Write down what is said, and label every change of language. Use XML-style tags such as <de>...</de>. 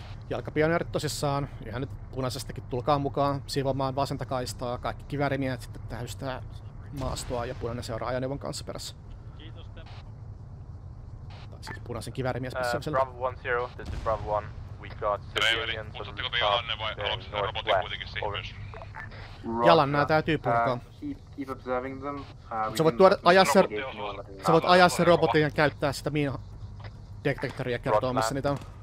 <fi>Jalkapioneerit tosissaan, ihan nyt punaisestakin tulkaa mukaan, siivomaan vasenta kaistaa, kaikki kiväärimiehet sitten tähystää maastoa ja punainen seuraa ajoneuvon kanssa perässä. Kiitos tempo. Tai siis punaisen kiväärimies perässä on siellä.</fi> <en>Bravo 1-0, this is Bravo 1. We got civilians on the top, the northwest, over.</en> <fi>Jalan, nää täytyy purkaa.</fi> <en>Keep observing them.</en> <fi>Sä voit tuoda, ajaa sen, sä voit ajaa sen robotin ja käyttää sitä miina detektoria kertoa, missä niitä on.</fi>